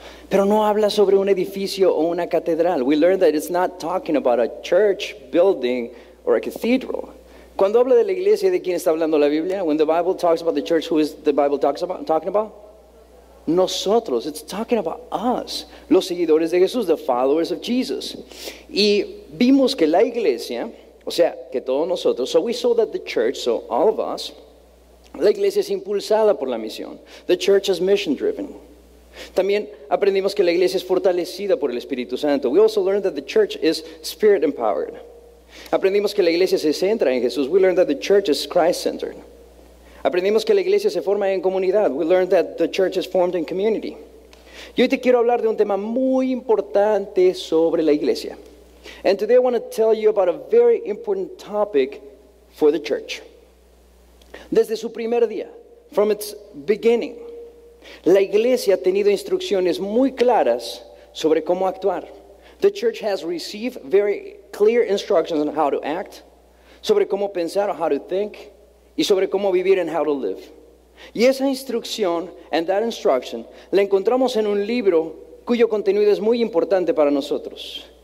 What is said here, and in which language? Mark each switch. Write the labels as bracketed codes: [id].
[es] Pero no habla sobre un edificio o una catedral. [en] We learned that it's not talking about a church building or a cathedral. [es] Cuando habla de la iglesia, ¿de quién está hablando la Biblia? [en] When the Bible talks about the church, who is the Bible talking about? [es] Nosotros, [en] it's talking about us, [es] los seguidores de Jesús, [en] the followers of Jesus. [es] Y vimos que la iglesia, o sea, que todos nosotros, [en] so we saw that the church, so all of us, [es] la iglesia es impulsada por la misión. [en] The church is mission driven. [es] También aprendimos que la iglesia es fortalecida por el Espíritu Santo. [en] We also learned that the church is spirit empowered. [es] Aprendimos que la iglesia se centra en Jesús. [en] We learned that the church is Christ centered. [es] Aprendimos que la iglesia se forma en comunidad. [en] We learned that the church is formed in community. [es] Y hoy te quiero hablar de un tema muy importante sobre la iglesia. [en] And today I want to tell you about a very important topic for the church. [es] Desde su primer día, [en] from its beginning, [es] la iglesia ha tenido instrucciones muy claras sobre cómo actuar. [en] The church has received very clear instructions on how to act, [es] sobre cómo pensar [en] or how to think, [es] y sobre cómo vivir [en] and how to live. [es] Y esa instrucción, [en] and that instruction, [es] la encontramos en un libro cuyo contenido es muy importante para nosotros.